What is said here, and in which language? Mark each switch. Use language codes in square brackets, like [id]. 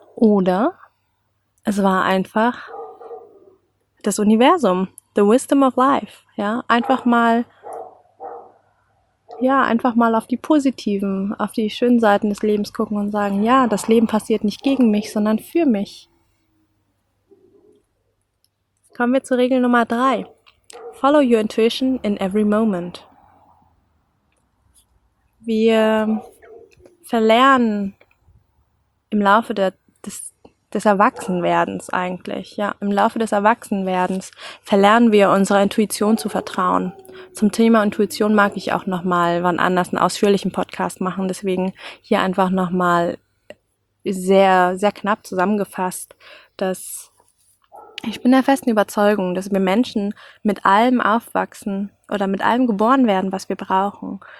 [de] Oder es war einfach das Universum, [en] the wisdom of life. [de] Ja, einfach mal auf die positiven, auf die schönen Seiten des Lebens gucken und sagen, ja, das Leben passiert nicht gegen mich, sondern für mich. Kommen wir zu Regel Nummer 3. [en] Follow your intuition in every moment. [de] Wir verlernen im Laufe des Erwachsenwerdens eigentlich, ja, im Laufe des Erwachsenwerdens verlernen wir unserer Intuition zu vertrauen. Zum Thema Intuition mag ich auch nochmal wann anders einen ausführlichen Podcast machen, deswegen hier einfach nochmal sehr, sehr knapp zusammengefasst, dass ich bin der festen Überzeugung, dass wir Menschen mit allem aufwachsen oder mit allem geboren werden, was wir brauchen.